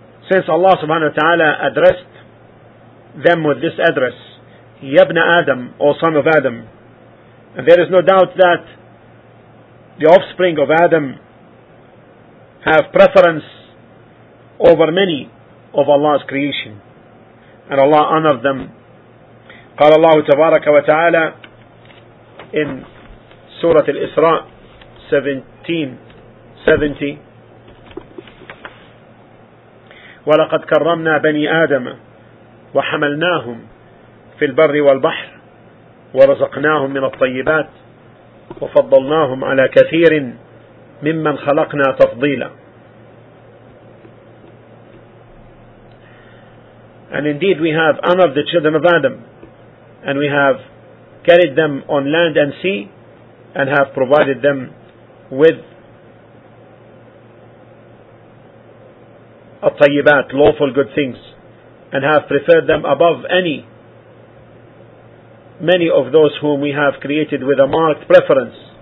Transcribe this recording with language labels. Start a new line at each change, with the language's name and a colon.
English: Since Allah subhanahu wa ta'ala addressed them with this address, Yabna Adam, O son of Adam, and there is no doubt that the offspring of Adam have preference over many of Allah's creation, and Allah honored them.
Arabic: قال الله تبارك وتعالى in سورة الإسراء 1770 ولقد كرمنا بني آدم وحملناهم في البر والبحر ورزقناهم من الطيبات وفضلناهم على كثير ممن خلقنا تفضيلا.
English: And indeed we have honored the children of Adam, and we have carried them on land and sea, and have provided them with الطيبات, lawful good things, and have preferred them above many of those whom we have created with a marked preference.